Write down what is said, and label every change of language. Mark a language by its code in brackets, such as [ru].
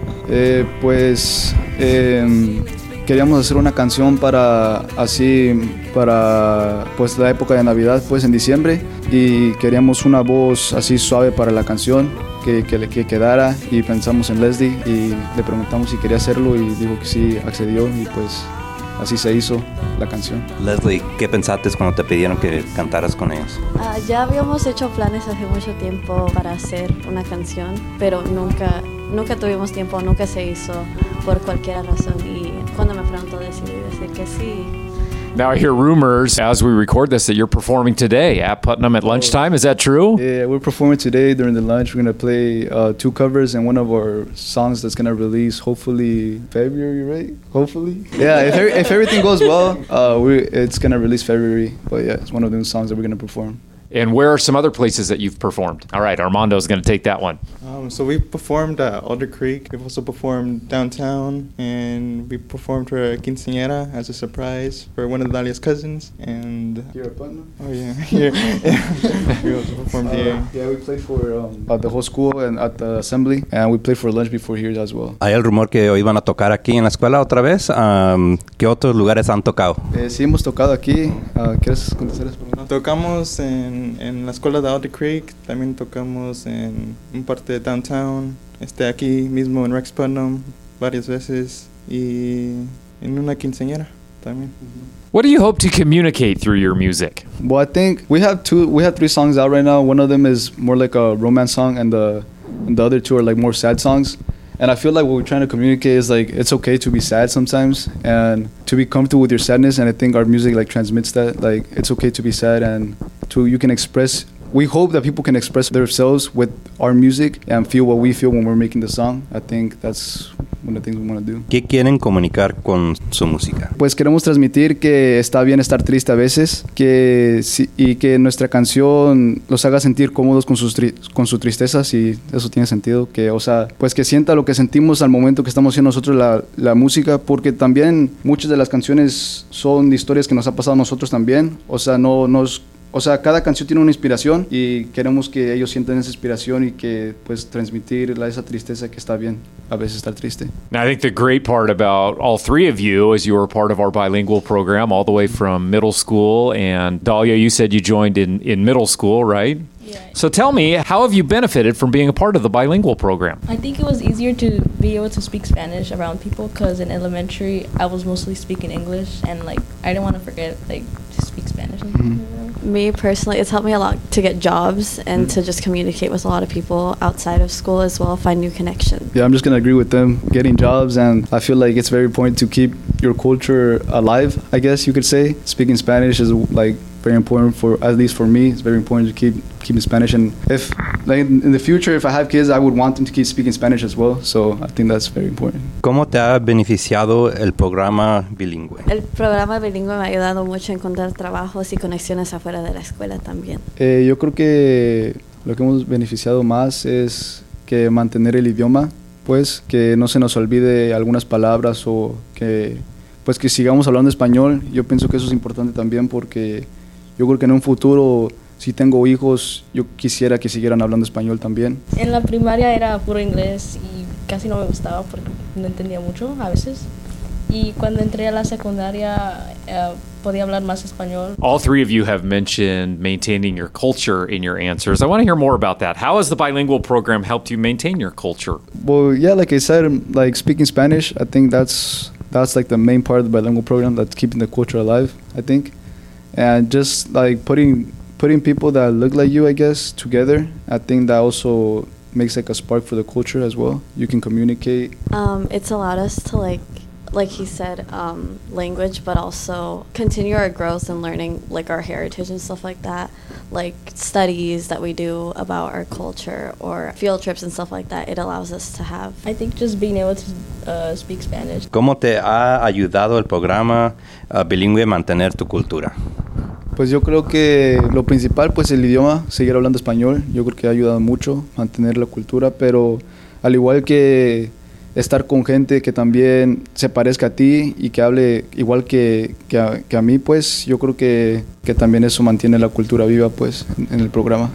[es] Queríamos hacer una canción para así para pues la época de Navidad, pues en diciembre, y queríamos una voz así suave para la canción que quedara, y pensamos en Leslie y le preguntamos si quería hacerlo y dijo que sí, accedió, y pues así se hizo la canción. Leslie, ¿qué pensaste cuando te pidieron que cantaras con ellos? Ya habíamos hecho planes hace mucho tiempo para hacer una canción, pero nunca tuvimos tiempo, nunca se hizo por cualquier razón, y cuando me preguntó decidí decir que sí. [en] Now I hear rumors as we record this that you're performing today at Putnam at lunchtime. Is that true? Yeah, we're performing today during the lunch. We're going to play two covers and one of our songs that's going to release hopefully February, right? Hopefully. Yeah, if everything goes well, it's going to release February. But yeah, it's one of the new songs that we're going to perform. And where are some other places that you've performed? All right, Armando's going to take that one. So we performed at Alder Creek. We've also performed downtown. And we performed for a quinceañera as a surprise for one of Dalia's cousins. And here at Putnam? Oh, yeah. Here. We also performed here. Yeah, we played for the whole school and at the assembly. And we played for lunch before here as well. [es] Hay el rumor que hoy van a tocar aquí en la escuela otra vez. ¿Qué otros lugares han tocado? Sí, hemos tocado aquí. ¿Quieres contestar eso? Tocamos en la escuela de Alder Creek, también tocamos en un parte de downtown, aquí mismo en Rex Putnam varias veces, y en una quinceañera también. [en] What do you hope to communicate through your music? Well, I think we have three songs out right now. One of them is more like a romance song, and the other two are like more sad songs. And I feel like what we're trying to communicate is like it's okay to be sad sometimes and to be comfortable with your sadness, and I think our music like transmits that, like it's okay to be sad and to you can express, we hope that people can express themselves with our music and feel what we feel when we're making the song. I think that's one of the things we want to do. [es] ¿Qué quieren comunicar con su música? Pues queremos transmitir que está bien estar triste a veces, que si, y que nuestra canción los haga sentir cómodos con su tristeza, si eso tiene sentido, que o sea, pues que sienta lo que sentimos al momento que estamos haciendo nosotros la música, porque también muchas de las canciones son historias que nos ha pasado a nosotros también, o sea, o sea, cada canción tiene una inspiración y queremos que ellos sientan esa inspiración y que pues transmitir esa tristeza que está bien a veces estar triste. [en] Now, I think the great part about all three of you is you were part of our bilingual program all the way from middle school, and Dalia, you said you joined in middle school, right? So tell me, how have you benefited from being a part of the bilingual program? I think it was easier to be able to speak Spanish around people because in elementary, I was mostly speaking English, and like I didn't want to forget like to speak Spanish. Mm-hmm. Me personally, it's helped me a lot to get jobs and to just communicate with a lot of people outside of school as well, find new connections. Yeah, I'm just going to agree with them, getting jobs. And I feel like it's very important to keep your culture alive, I guess you could say. Speaking Spanish is like very important for, at least for me, it's very important to keep Spanish. And if like in the future, if I have kids, I would want them to keep speaking Spanish as well. So I think that's very important. [es] ¿Cómo te ha beneficiado el programa bilingüe? El programa bilingüe me ha ayudado mucho a encontrar trabajos y conexiones afuera de la escuela también. Yo creo que lo que hemos beneficiado más es que mantener el idioma, pues, que no se nos olvide algunas palabras o que, pues, que sigamos hablando español. Yo pienso que eso es importante también porque yo creo que en un futuro, si tengo hijos, yo quisiera que siguieran hablando español también. En la primaria era puro inglés y casi no me gustaba porque no entendía mucho a veces. Y cuando entré a la secundaria, podía hablar más español. [en] All three of you have mentioned maintaining your culture in your answers. I want to hear more about that. How has the bilingual program helped you maintain your culture? Well, yeah, like I said, like speaking Spanish, I think that's like the main part of the bilingual program that's keeping the culture alive, I think. And just like putting people that look like you, I guess, together, I think that also makes like a spark for the culture as well. You can communicate. It's allowed us to like he said, language, but also continue our growth and learning like our heritage and stuff like that. Like studies that we do about our culture or field trips and stuff like that. It allows us to have. I think just being able to speak Spanish. [es] ¿Cómo te ha ayudado el programa bilingüe mantener tu cultura? Pues yo creo que lo principal, pues el idioma, seguir hablando español, yo creo que ha ayudado mucho mantener la cultura, pero al igual que estar con gente que también se parezca a ti y que hable igual que a mí, pues yo creo que también eso mantiene la cultura viva, pues, en el programa.